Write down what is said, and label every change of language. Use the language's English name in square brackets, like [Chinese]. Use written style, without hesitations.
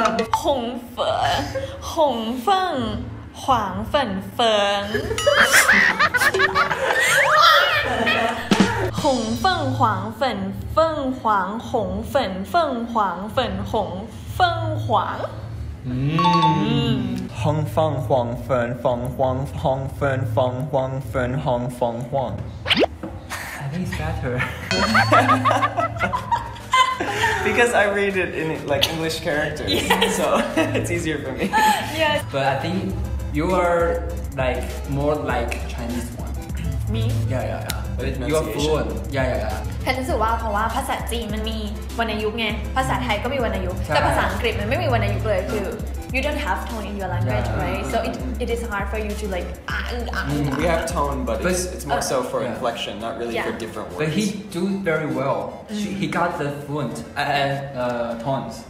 [Chinese] 红粉，红粉，黄粉粉，红粉黄粉凤凰，红粉凤凰粉红凤凰。红粉黄粉凤凰，红粉凤凰粉红凤凰。 [English] Better. Because I read it in like English characters, yes. So it's easier for me. Yes. But I think you are like more like Chinese one. Me? Yeah. But you are fluent. Yeah. [Thai] ฉันรู้สึกว่าเพราะว่าภาษาจีนมันมีวรรณยุกต์ไงภาษาไทยก็มีวรรณยุกต์แต่ภาษาอังกฤษมันไม่มีวรรณยุกต์เลยคือ [English] you don't have tone in your language right so it is hard for you to like we have tone but it's more so for inflection not really for different words but he do very well he got the fluent tones